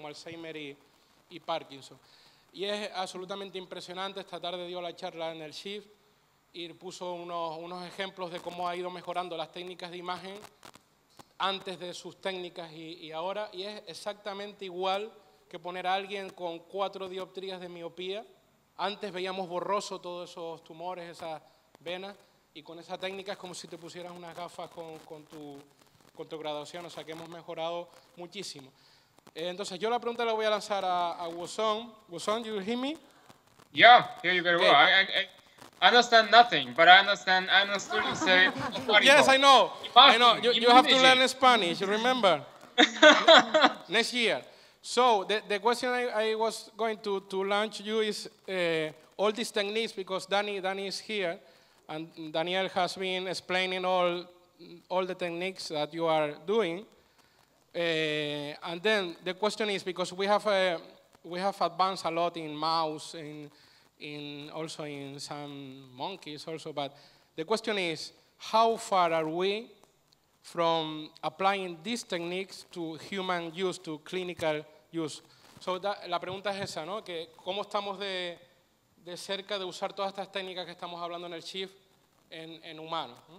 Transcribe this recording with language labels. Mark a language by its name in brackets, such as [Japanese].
[Spanish] Como Alzheimer y Parkinson. Y es absolutamente impresionante, esta tarde dio la charla en el SHIFT y puso unos ejemplos de cómo ha ido mejorando las técnicas de imagen antes de sus técnicas y ahora, y es exactamente igual que poner a alguien con 4 dioptrías de miopía. Antes veíamos borroso todos esos tumores, esas venas, y con esa técnica es como si te pusieras unas gafas con tu graduación, o sea que hemos mejorado muchísimo. Entonces yo la pregunta la voy a lanzar a Wuzhong. [English] Wuzhong, you hear me? Yeah, here you better go. I understand nothing, but I understood you say... Yes, I know. You have to learn Spanish, remember? Next year. So the question I was going to launch you is all these techniques, because Danny is here and Daniel has been explaining all the techniques that you are doing. And then the question is, because we have advanced a lot in mouse, in also in some monkeys also, but the question is, how far are we from applying these techniques to human use, to clinical use? [Spanish] So la pregunta es esa, ¿no? Que cómo estamos de cerca de usar todas estas técnicas que estamos hablando en el SHIFT en humanos.